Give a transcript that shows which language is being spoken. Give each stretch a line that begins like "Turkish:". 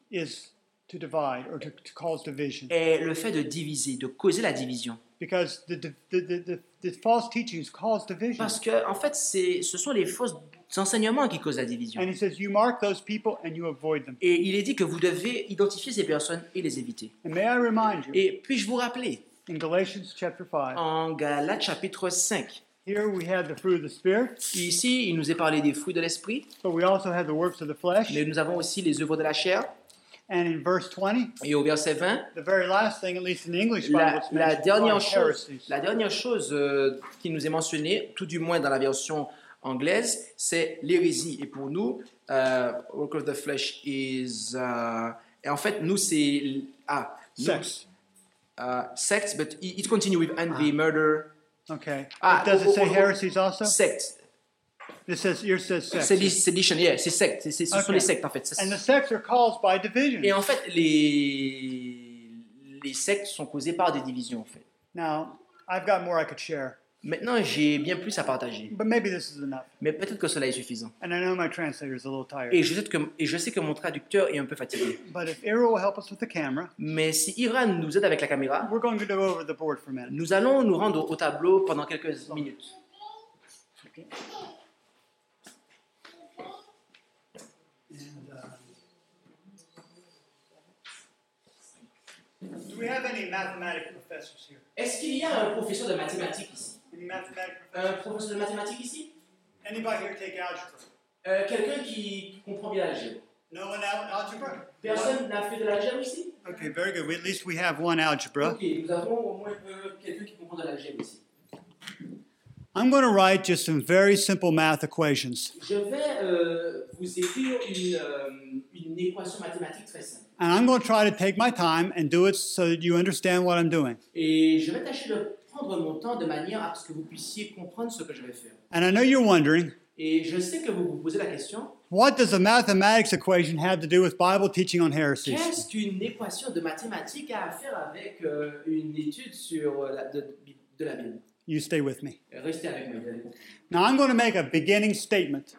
English: is to divide or to cause division.
French: Est le fait de diviser, de causer la division.
English: Because the false teachings cause division.
French: Parce que en fait, ce sont les fausses enseignements qui causent la division.
English: And he says you mark those people and you avoid them.
French: Et il est dit que vous devez identifier ces personnes et les éviter.
English: And may I remind you?
French: Et puis-je vous rappeler?
English: In Galatians chapter 5.
French: En Galates chapitre 5.
English: Here we have the fruit of the spirit.
French: Ici, il nous est parlé des fruits de l'esprit.
English: But we also have the works of the flesh.
French: Mais nous avons aussi les œuvres de la chair.
English: And in verse 20.
French: Et au verset 20.
English: The very last thing, at least in the English Bible, is mentioned.
French: La dernière chose qui nous est mentionnée, tout du moins dans la version anglaise, c'est l'hérésie. Et pour nous,
English: work of the flesh is.
French: Et en fait, nous c'est
English: sex. Sex, but it continues with envy, murder. Okay. Does it say heresies also? Sects. It says, yours says sects. Sedition, yeah,
French: c'est sect. Ce sont les sectes, en fait.
English: And the sects are caused by division.
French: Et en fait, les sectes sont causées par des divisions, en fait.
English: Now, I've got more I could share.
French: Maintenant, j'ai bien plus à partager.
English: But maybe this is enough.
French: Mais peut-être que cela est suffisant.
English: And I know my translator is a little tired.
French: Et je sais que mon traducteur est un peu fatigué.
English: But if Ira will help us with the camera,
French: mais si Ira nous aide avec la caméra,
English: we're going to go over the board for a minute.
French: Nous allons nous rendre au tableau pendant quelques minutes.
English: Okay. Do we have any mathematical professors here?
French: Est-ce qu'il y a un professeur de mathématiques ici?
English: Any mathematical
French: professor? De mathématiques ici?
English: Anybody here take algebra?
French: Quelqu'un qui comprend bien l'algèbre?
English: No one algebra?
French: Personne n'a fait de l'algèbre ici?
English: Okay, very good. At least we have one algebra.
French: Okay, nous avons au moins quelqu'un qui comprend de l'algèbre ici.
English: I'm going to write just some very simple math equations.
French: Je vais vous écrire une équation mathématique très simple.
English: And I'm going to try to take my time and do it so that you understand what I'm doing.
French: Et je vais tâcher de prendre mon temps de manière à ce que vous puissiez comprendre ce que je vais faire.
English: And I know you're wondering.
French: Et je sais que vous vous posez la question.
English: What does a mathematics equation have to do with Bible teaching on heresies?
French: Qu'est-ce qu'une équation de mathématiques a à faire avec une étude sur la, de la Bible?
English: You stay with me.
French: Restez avec moi.
English: Now I'm going to make a beginning statement.